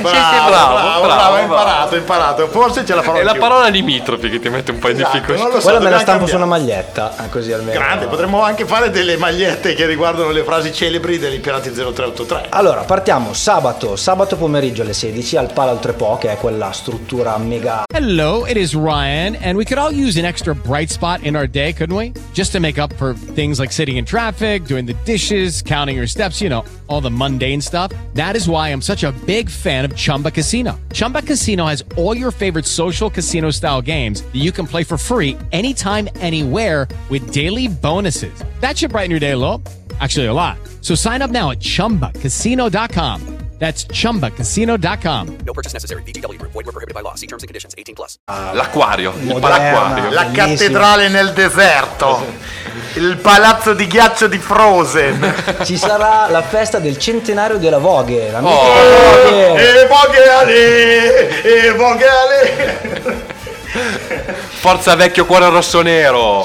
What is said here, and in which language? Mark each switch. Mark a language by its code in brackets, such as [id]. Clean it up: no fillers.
[it] Bravo, imparato. Forse ce la farò. È la parola nimitrofi che ti mette un po' in difficoltà. Non lo so, quella me la stampo cambiare su una maglietta, così almeno. Grande, potremmo anche fare delle magliette che riguardano le frasi celebri degli Pirati 0383. Allora, partiamo sabato pomeriggio alle 16 al Palo Altrepò, che è quella struttura mega. [en] Hello, it is Ryan and we could all use an extra bright spot in our day, couldn't we? Just to make up for things like sitting in traffic, doing the dishes, counting your steps, you know, all the mundane stuff. That is why I'm such a big fan of Chumba Casino. Chumba Casino has all your favorite social casino style games that you can play for free anytime, anywhere with daily bonuses. That should brighten your day a little. Actually, a lot. So sign up now at chumbacasino.com. That's chumbacasino.com. No purchase necessary. VGW. Void where prohibited by law. See terms and conditions. 18 plus. [it] L'acquario. Moderna, l'acquario. La cattedrale nel deserto. Il palazzo di ghiaccio di Frozen. Ci sarà la festa del centenario della Vogue. Vogue. E Vogue Ale. E Vogue Ale. Forza vecchio cuore rosso nero.